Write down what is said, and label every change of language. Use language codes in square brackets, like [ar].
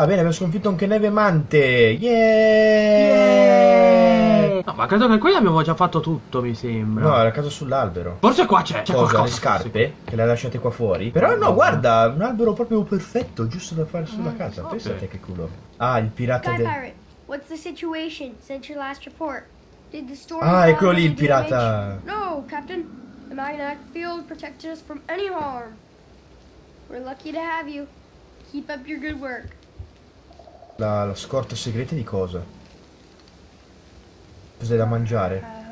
[it] Bene, abbiamo sconfitto anche Neve Mante. Yeah! No, ma credo che qui abbiamo già fatto tutto, mi sembra. No, era casa sull'albero. Forse qua c'è qualcosa. Le scarpe, sì. Che le ha lasciate qua fuori. Però no, guarda, un albero proprio perfetto, giusto da fare sulla casa. Pensate che culo. Ah, il pirata del... [en] What's the situation since your last report? Did the storm... [it] Ah, eccolo lì, il pirata. [en] No, Captain. The magnetic field protected us from any harm. We're lucky to have you. Keep up your good work. [it] La scorta segreta di cosa? Cos'è da mangiare?